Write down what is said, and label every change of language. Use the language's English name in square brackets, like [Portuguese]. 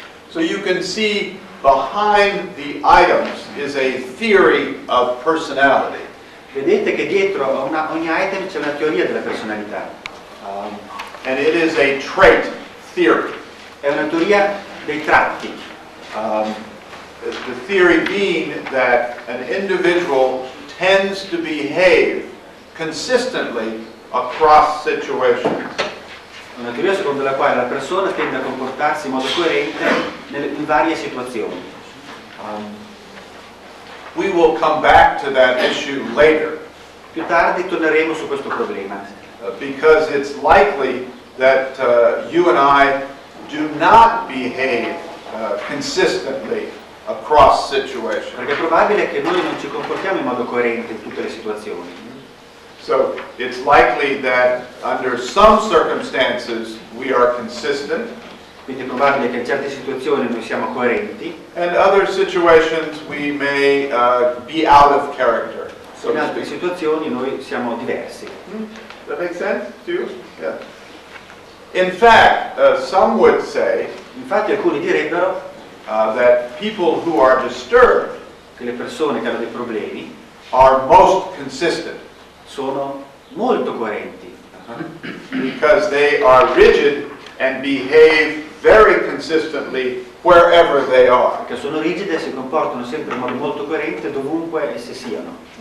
[English] So you can see behind the items is a theory of personality. [Italian] Vedete che dietro ogni item c'è una teoria della personalità. [English] And it is a trait theory. [Italian] È una teoria dei tratti. [English] The theory being that an individual tends to behave consistently across situations. [Italian] Una teoria secondo la quale la persona tende a comportarsi in modo coerente in varie situazioni. [English] We will come back to that issue later. [Italian] Più tardi torneremo su questo problema. [English] Because it's likely that you and I do not behave consistently across situations. [Italian] Perché è probabile che noi non ci comportiamo in modo coerente in tutte le situazioni. [English] So it's likely that under some circumstances we are consistent. [Italian] Quindi è probabile che in certe situazioni noi siamo coerenti. [English] And other situations we may be out of character. [Italian] So in altre situazioni noi siamo diversi. [English] That makes sense to you? Yeah. In fact, some would say, [Italian] infatti alcuni direbbero, [English] that people who are disturbed, [Italian] che le persone che hanno dei problemi, [English] are most consistent, [Italian] sono molto coerenti, [English] because they are rigid and behave very consistently wherever they are. [Italian] Perché sono rigide e si comportano sempre in modo molto coerente dovunque esse siano.